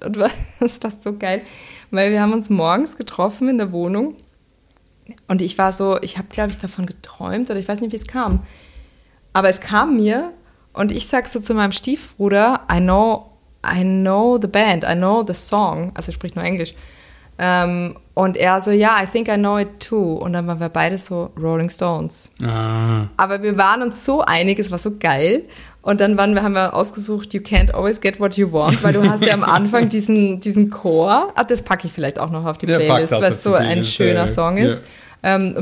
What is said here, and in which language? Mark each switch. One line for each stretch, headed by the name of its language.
German: Und das war so geil, weil wir haben uns morgens getroffen in der Wohnung. Und ich war so, ich habe, glaube ich, davon geträumt oder ich weiß nicht, wie es kam. Aber es kam mir und ich sag so zu meinem Stiefbruder,
English: I know the band, I know the song.
German: Also er spricht nur Englisch. Und er so,
English: yeah, I think I know it too.
German: Und dann waren wir beide so Rolling Stones. Ah. Aber wir waren uns so einig, es war so geil. Und dann haben wir ausgesucht,
English: you can't always get what you want,
German: weil du hast ja am Anfang diesen Chor. Ah, das packe ich vielleicht auch noch auf die Playlist, weil es so ein schöner Song ist. Yeah.